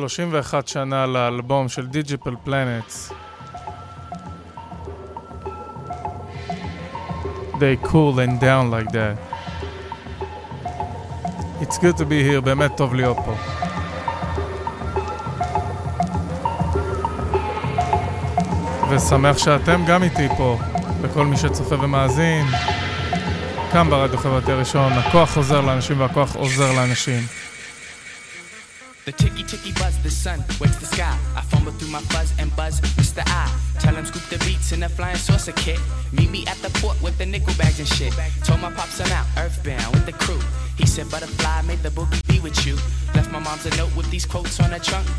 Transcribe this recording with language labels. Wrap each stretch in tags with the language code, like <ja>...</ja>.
<he>ואחת שנה לאלבום של Digital Planets.</he> <en>They cool and down like that. It's good to be here,</en> <he>באמת טוב להיות פה. ושמח שאתם גם איתי פה, וכל מי שצופה ומאזין, כאן ברדיו חברתי הראשון, הכוח עוזר לאנשים והכוח עוזר לאנשים.</he> <en>The ticky-ticky buzz, the sun wakes the sky. I fumble through my fuzz and buzz, Mr. I. Tell him scoop the beats in a flying saucer kit. Meet me at the port with the nickel bags and shit. Told my pops I'm out, earthbound with the crew. He said, butterfly, may the boogie be with you. Left my mom's a note with these quotes on her trunk.</en>